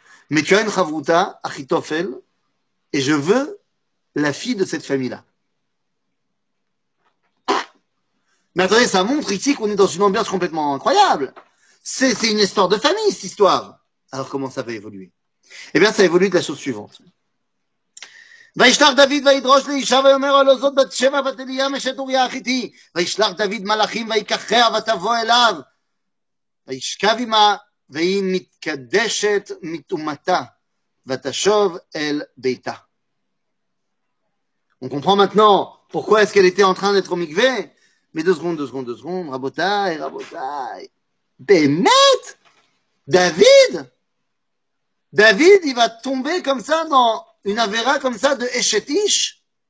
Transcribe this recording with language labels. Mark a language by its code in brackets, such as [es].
[fr] Mais tu as une chavruta, Achitophel, et je veux la fille de cette famille-là. Mais attendez, ça montre ici qu'on est dans une ambiance complètement incroyable. C'est une histoire de famille, cette histoire. Alors, comment ça va évoluer? Eh bien, ça évolue de la chose suivante. [he] וישלח דוד וידרוש לאישה ואומר לו זאת בת שבע בת אליה משת אוריה אחיתי וישלח דוד מלאכים ויקחיה ותבוא אליו וישכב עמה והיא מתקדשת מטומאתה ותשוב אל ביתה. [fr] On comprend maintenant pourquoi est-ce qu'elle était en train d'être au מקווה. Mais deux secondes, [he] רבותיי, באמת? [fr] דוד, il va tomber comme ça dans une avéra comme ça de Eshetish?